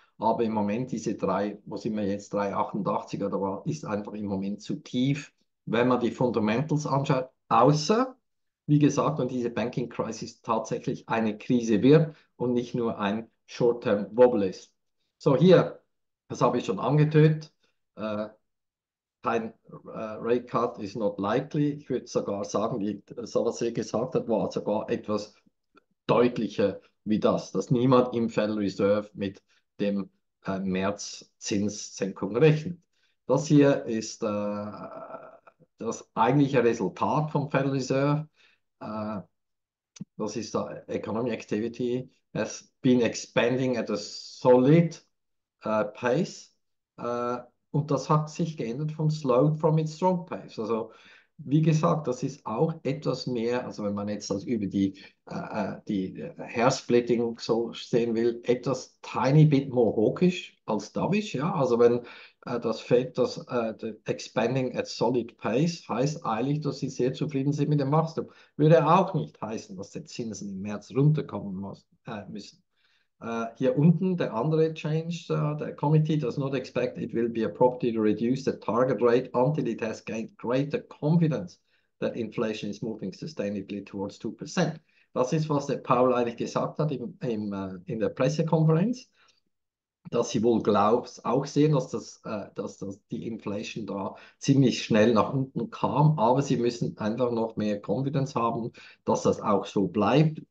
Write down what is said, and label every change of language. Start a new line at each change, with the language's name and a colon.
German: Aber im Moment diese drei, wo sind wir jetzt, 3,88er, da war, ist einfach im Moment zu tief, wenn man die Fundamentals anschaut. Außer, wie gesagt, wenn diese Banking Crisis tatsächlich eine Krise wird und nicht nur ein Short-Term-Wobble ist. So, hier, das habe ich schon angetönt.
English: Kein Rate Cut is not likely.
German: Ich würde sogar sagen, wie sowas hier gesagt hat, war sogar etwas deutlicher wie das, dass niemand im Federal Reserve mit dem März-Zinssenkung rechnet. Das hier ist das eigentliche Resultat vom Federal Reserve. Das ist da
English: Economic Activity has been expanding at a solid pace.
German: Und das hat sich geändert von
English: slow from its strong pace.
German: Also wie gesagt, das ist auch etwas mehr, also wenn man jetzt das über die Hairsplitting so sehen will, etwas
English: tiny bit more hawkish
German: als dovish. Ja? Also wenn das Fed das
English: expanding at solid pace
German: heißt eigentlich, dass sie sehr zufrieden sind mit dem Wachstum. Würde auch nicht heißen, dass die Zinsen im März runterkommen müssen. Hier unten der andere Change, der
English: Committee does not expect it will be a property to reduce the target rate until it has gained greater confidence that inflation is moving sustainably towards 2%.
German: Das ist, was der Powell eigentlich gesagt hat in der Pressekonferenz, dass sie wohl glaubt, auch sehen, dass die Inflation da ziemlich schnell nach unten kam, aber sie müssen einfach noch mehr Confidence haben, dass das auch so bleibt.